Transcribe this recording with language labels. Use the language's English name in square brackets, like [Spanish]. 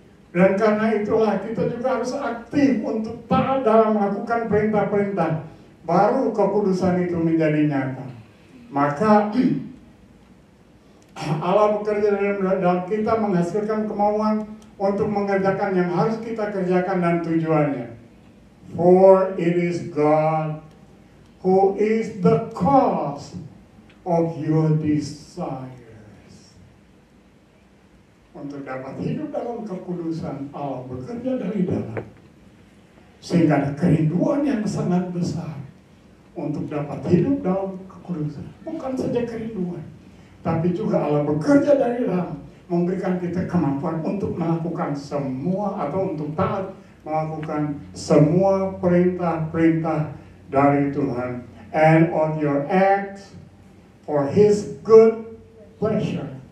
[Indonesian] Dan karena itulah kita juga harus aktif untuk taat dalam melakukan perintah-perintah. Baru kekudusan itu menjadi nyata. Maka Allah bekerja dalam kita menghasilkan kemauan untuk mengerjakan yang harus kita kerjakan dan tujuannya. [English] For it is God who is the cause of your desires. [Indonesian] Untuk dapat hidup dalam kekudusan, Allah bekerja dari dalam. Sehingga ada kerinduan yang sangat besar untuk dapat hidup dalam kekudusan. Bukan saja kerinduan, tapi juga Allah bekerja dari dalam, memberikan kita kemampuan untuk melakukan semua, atau untuk taat melakukan semua perintah-perintah dari Tuhan. [English] And on your act for His good pleasure.